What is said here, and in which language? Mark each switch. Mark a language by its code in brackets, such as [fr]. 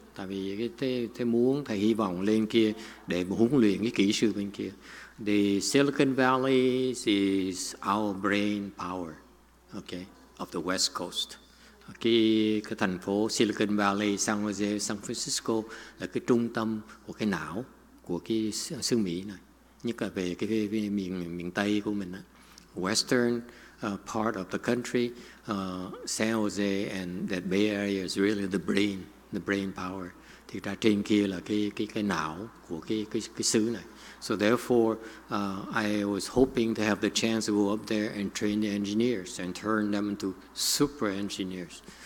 [vi] Tại vì thế muốn, thầy hy vọng lên kia để huấn luyện cái kỹ sư bên kia. [en] The Silicon Valley is our brain power, okay, of the West Coast. [vi] Cái thành phố Silicon Valley, San Jose, San Francisco là cái trung tâm của cái não của cái xứ Mỹ này. Nhất là về cái miền Tây của mình. [en] Western part of the country, San Jose and that Bay Area is really the brain power. [vi] Thì ra trên kia là cái não của cái xứ này. [en] So therefore, I was hoping to have the chance to go up there and train the engineers and turn them into super engineers.